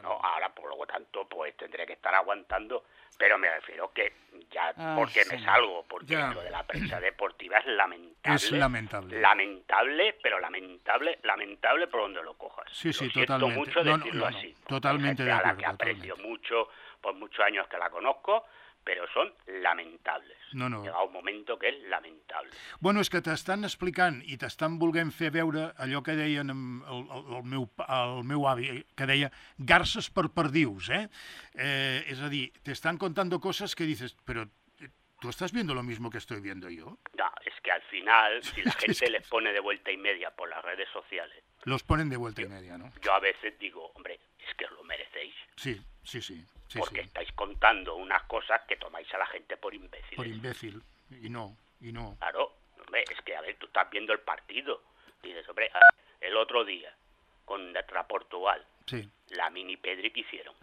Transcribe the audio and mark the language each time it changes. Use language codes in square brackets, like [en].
[es] Ahora, por lo tanto, pues tendré que estar aguantando. Pero me refiero que ya, porque me salgo, porque lo de la prensa deportiva es lamentable. Es lamentable. Lamentable, pero lamentable, lamentable por donde lo cojas. Sí, sí, totalmente. Siento mucho decirlo así. Totalmente de acuerdo. A la que aprecio mucho, por muchos años que la conozco, [ca] però són lamentables. [es] No, no. [ca] Hi ha un moment que és lamentable. Bueno, és que t'estan explicant i t'estan volent fer veure allò que deien el meu avi, que deia garses per perdius, és a dir, t'estan contando coses que dices, però tu estàs [es] viendo lo mismo que estoy viendo yo. No, és que al final, si la gente les pone de vuelta y media por las redes sociales... Los ponen de vuelta y media, ¿no? Yo a veces digo, hombre, es que os lo merecéis. Sí, sí, sí. Sí, porque sí. Estáis contando unas cosas que tomáis a la gente por imbécil. Por imbécil, y no. Claro, hombre, es que, a ver, tú estás viendo el partido. Dices, hombre, el otro día, contra Portugal, la mini Pedri que hicieron.